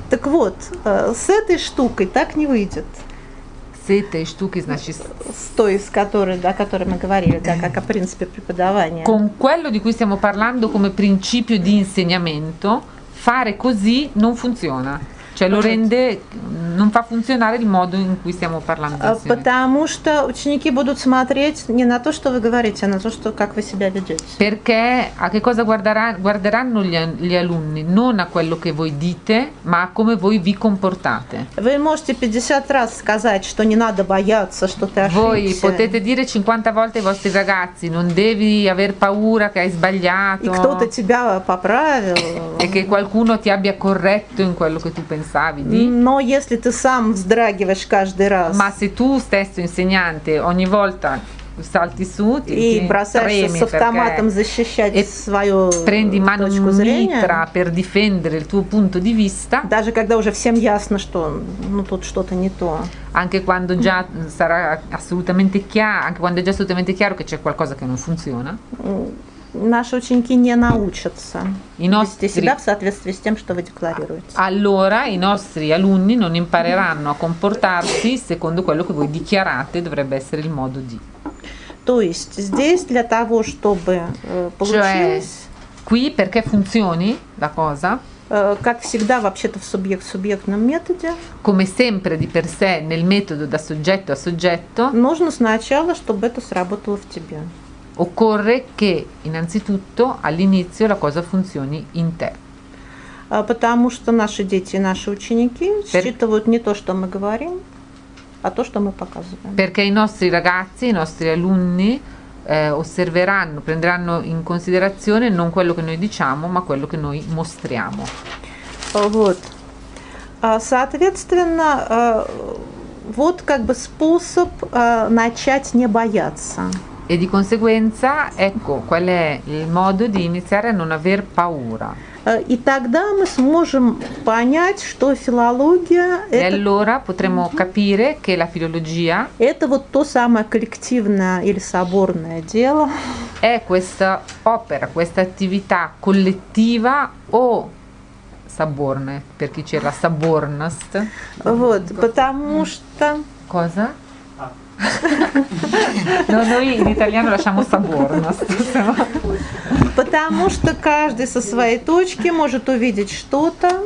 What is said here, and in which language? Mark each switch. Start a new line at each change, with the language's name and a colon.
Russian: Так вот, с этой штукой так не выйдет. С этой штукой, значит, с той, с которой, да, о которой мы говорили, да, как о принципе преподавания.
Italian: Con quello di cui stiamo parlando come principio di insegnamento, fare così non funziona. Cioè lo rende non fa funzionare il modo in cui stiamo parlando.
Russian: Потому что ученики будут смотреть не на то, что вы говорите, а на то, что как вы себя ведете.
Italian: Perché a che cosa guarderanno gli alunni? Non a quello che voi dite, ma a come voi vi comportate.
Russian: Вы можете 50 раз сказать, что не надо бояться, что ты ошибся.
Italian: Voi potete dire 50 volte ai vostri ragazzi, non devi aver paura che hai sbagliato.
Russian: И кто-то тебя поправил.
Italian: E che qualcuno ti abbia corretto in quello che tu pensavi di.
Russian: Но если ты сам вздрагиваешь каждый раз.
Italian: Ma se tu stesso insegnante ogni volta salti su
Russian: и бросаешься с автоматом защищать свою
Italian: prendi mano
Russian: точку зрения,
Italian: per difendere il tuo punto di vista.
Russian: Даже когда уже всем ясно, что ну тут что-то не то.
Italian: Anche quando già sarà assolutamente chiaro, anche quando è già assolutamente chiaro che c'è qualcosa che non funziona.
Russian: Наши ученики не научатся вести
Italian: nostri...
Russian: себя в соответствии с тем, что вы декларируете.
Italian: Allora i nostri alunni non impareranno a comportarsi secondo quello che voi dichiarate dovrebbe essere il modo di.
Russian: То есть здесь для того, чтобы получилось.
Italian: Cioè, qui perché funzioni la cosa?
Russian: Как всегда вообще-то в субъект-субъектном методе.
Italian: Come sempre di per sé nel metodo da soggetto a soggetto.
Russian: Нужно сначала, чтобы это сработало в тебе.
Italian: Occorre che innanzitutto all'inizio la cosa funzioni in te.
Russian: Потому что наши дети, наши ученики считывают не то, что мы говорим, а то, что мы показываем.
Italian: Perché i nostri ragazzi, i nostri alunni osserveranno, prenderanno in considerazione non quello che noi diciamo, ma quello che noi mostriamo.
Russian: Вот. Соответственно, вот как бы способ начать не бояться.
Italian: E di conseguenza, ecco, qual è il modo di iniziare a non aver paura.
Russian: И тогда мы сможем понять, что филология e это...
Italian: allora potremo capire che la filologia
Russian: это вот то самое коллективное или соборное дело.
Italian: È questa opera, questa attività collettiva o соборная, per chi c'era соборность.
Russian: Вот, потому что
Italian: cosa? Но мы в итальяно лашамо соборно.
Russian: Потому что каждый со своей точки может увидеть что-то.